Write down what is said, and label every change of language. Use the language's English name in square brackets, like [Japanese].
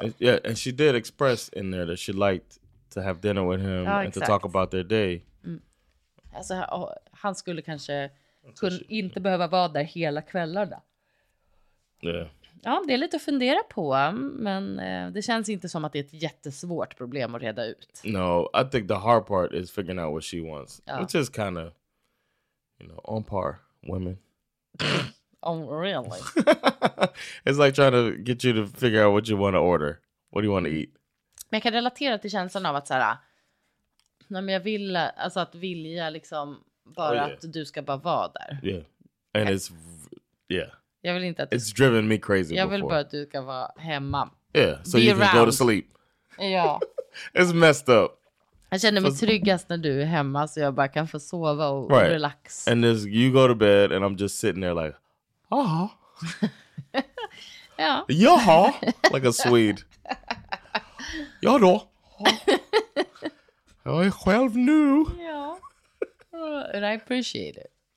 [English] And, yeah, and she did express in there that she liked to have dinner with him and to talk about their day. Mm. [Swedish] Alltså, han skulle kanske inte behöva vara där hela kvällarna. [English] Yeah. [Swedish] Ja, det är lite att fundera på, men det känns inte som att det är ett jättesvårt problem att reda ut. [English] No, I think the hard part is figuring out what she wants. Ja. Which is kind of, you know, on par, women. Oh, really? It's like trying to get you to figure out what you want to order. What do you want to eat? [Swedish] Men jag kan relatera till känslan av att så här, när jag vill, alltså att vilja liksom bara att du ska bara vara där. [English] Yeah. And it's, yeah. [Swedish] Jag vill inte att [English] it's driven me crazy [Swedish] before. Jag vill bara att du ska vara hemma. [English] Yeah, so you can go to sleep. [Swedish] Ja. [English] It's messed up. [Swedish] Jag känner mig tryggast när du är hemma så jag bara kan få sova och relax. [English] And this, you go to bed and I'm just sitting there like, aha. [Swedish] Ja. Jaha. [English] Like a Swede. [Swedish] Ja då. Jag är själv nu. [English] Ja. And I appreciate it.